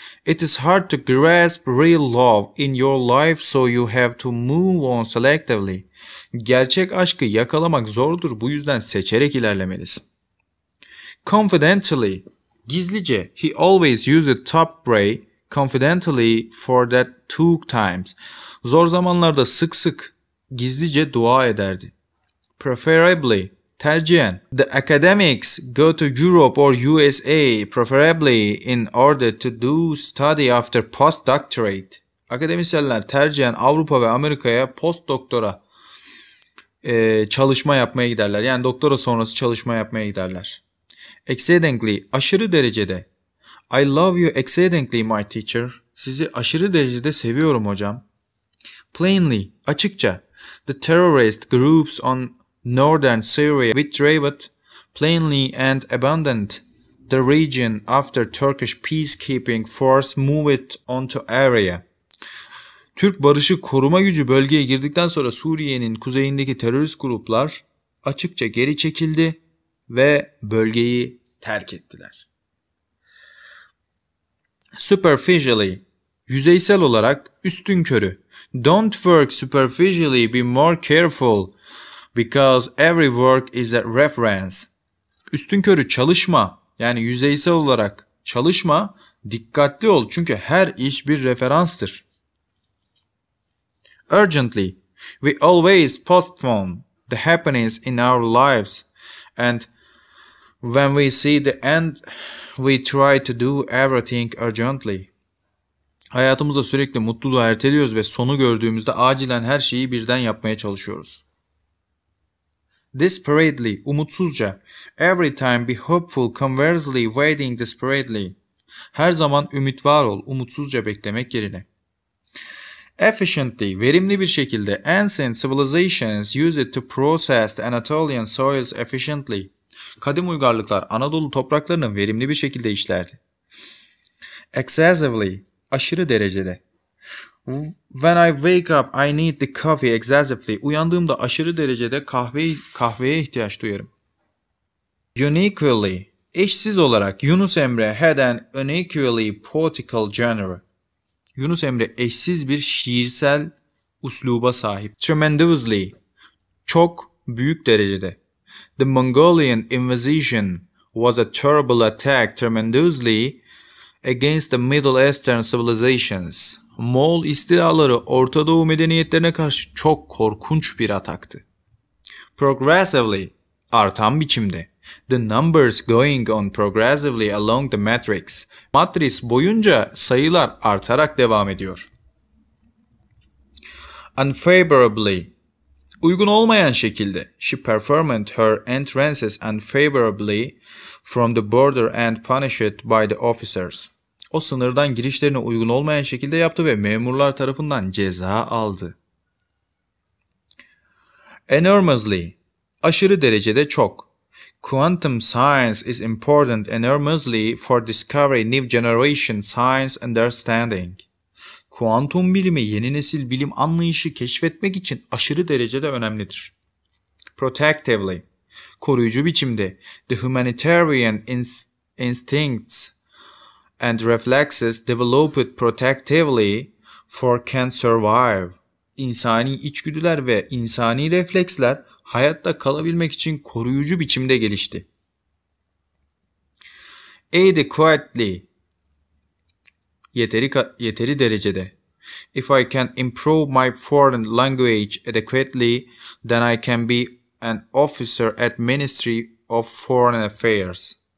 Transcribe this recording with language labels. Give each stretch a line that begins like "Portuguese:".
English: It is hard to grasp real love in your life, so you have to move on selectively.
Turkish: Gerçek aşkı yakalamak zordur, bu yüzden seçerek ilerlemelisin.
English: Confidentially,
Turkish: gizlice.
English: He always used top spray confidentially for that two times.
Turkish: Zor zamanlarda sık sık gizlice dua ederdi.
English: Preferably,
Turkish: tercihen.
English: The academics go to Europe or USA preferably in order to do study after postdoctorate.
Turkish: Akademisyenler tercihen Avrupa ve Amerika'ya postdoktora çalışma yapmaya giderler. Yani doktora sonrası çalışma yapmaya giderler. Exceedingly, aşırı derecede.
English: I love you exceedingly, my teacher.
Turkish: Sizi aşırı derecede seviyorum hocam.
English: Plainly,
Turkish: açıkça.
English: The terrorist groups on northern Syria withdrew plainly and abandoned the region after Turkish peacekeeping force moved onto area.
Turkish: Türk barışı koruma gücü bölgeye girdikten sonra Suriye'nin kuzeyindeki terörist gruplar açıkça geri çekildi ve bölgeyi terk ettiler.
English: Superficially,
Turkish: yüzeysel olarak, üstün körü.
English: Don't work superficially, be more careful because every work is a reference.
Turkish: Üstün körü çalışma, yani yüzeysel olarak çalışma, dikkatli ol çünkü her iş bir referanstır.
English: Urgently, we always postpone the happenings in our lives and when we see the end, we try to do everything urgently.
Turkish: Hayatımızda sürekli mutluluğu erteliyoruz ve sonu gördüğümüzde acilen her şeyi birden yapmaya çalışıyoruz.
English: Desperately, umutsuzca. Every time be hopeful, conversely waiting desperately.
Turkish: Her zaman ümit var ol, umutsuzca beklemek yerine. Efficiently, verimli bir şekilde.
English: Ancient civilizations use it to process the Anatolian soils efficiently.
Turkish: Kadim uygarlıklar Anadolu topraklarını verimli bir şekilde işlerdi.
English: Excessively,
Turkish: aşırı derecede.
English: When I wake up, I need the coffee excessively.
Turkish: Uyandığımda aşırı derecede kahveye ihtiyaç duyarım.
English: Uniquely,
Turkish: Eşsiz olarak
English: Yunus Emre had an unequally poetical genre.
Turkish: Yunus Emre eşsiz bir şiirsel üsluba sahip. Tremendously. Çok büyük derecede.
English: The Mongolian invasion was a terrible attack tremendously against the Middle Eastern civilizations.
Turkish: Moğol istilaları Orta Doğu medeniyetlerine karşı çok korkunç bir ataktı. Progressively. Artan biçimde.
English: The numbers going on progressively along the matrix.
Turkish: Matris boyunca sayılar artarak devam ediyor.
English: Unfavorably.
Turkish: Uygun olmayan şekilde.
English: She performed her entrances unfavorably from the border and punished by the officers.
Turkish: O sınırdan girişlerini uygun olmayan şekilde yaptı ve memurlar tarafından ceza aldı.
English: Enormously.
Turkish: Aşırı derecede çok.
English: Quantum science is important enormously for discovering new generation science understanding.
Turkish: Kuantum bilimi yeni nesil bilim anlayışı keşfetmek için aşırı derecede önemlidir.
English: Protectively.
Turkish: Koruyucu biçimde.
English: The humanitarian instincts and reflexes developed protectively for can survive.
Turkish: İnsani içgüdüler ve insani refleksler hayatta kalabilmek için koruyucu biçimde gelişti.
English: Adequately.
Turkish: Yeteri derecede.
English: If I can improve my foreign language adequately, then I can be an officer at Ministry of Foreign Affairs.